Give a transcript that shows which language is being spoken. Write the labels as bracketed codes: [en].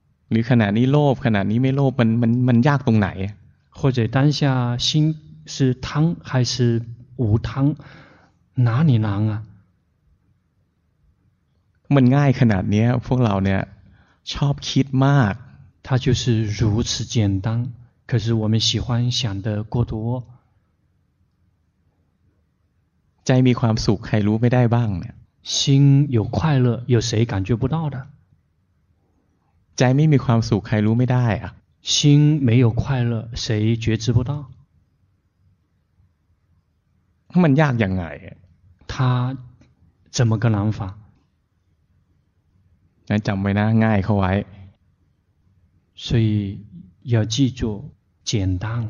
[th] หรือขณะนี้โลภขณะนี้ไม่โลภมันยากตรงไหน [zh] 或者当下心是贪还是无贪哪里难啊 [th] มันง่ายขนาดนี้พวกเราเนี่ยชอบคิดมาก [zh] 它就是如此简单可是我们喜欢想的过多 [th] ใจมีความสุขใครรู้ไม่ได้บ้างเนี่ย [zh] 心有快乐有谁感觉不到的 [th] ใจไม่มีความสุขใครรู้ไม่ได้อ่ะ [zh] 心没有快乐谁觉知不到 [th] มันยากยังไง [zh] 他怎么个难法 [th] งั้นจำไว้นะง่ายเข้าไว้ [zh] 所以要记住简单